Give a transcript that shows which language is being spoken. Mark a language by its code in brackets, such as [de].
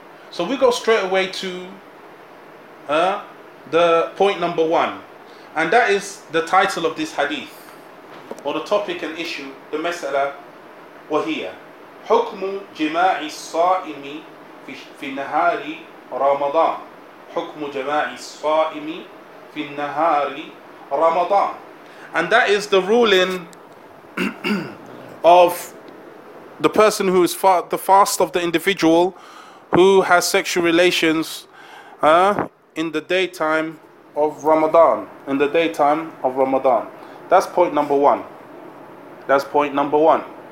[en] So we go straight away to the point number one. And that is the title of this hadith. or the topic and issue, the mas'ala, [ar] وهي حكم جماع الصائم في النهار رمضان. حكم جماع الصائم في النهار رمضان. [en] And that is the ruling of the person who is the fast of the individual who has sexual relations in the daytime of Ramadan. In the daytime of Ramadan. That's point number one. That's point number one.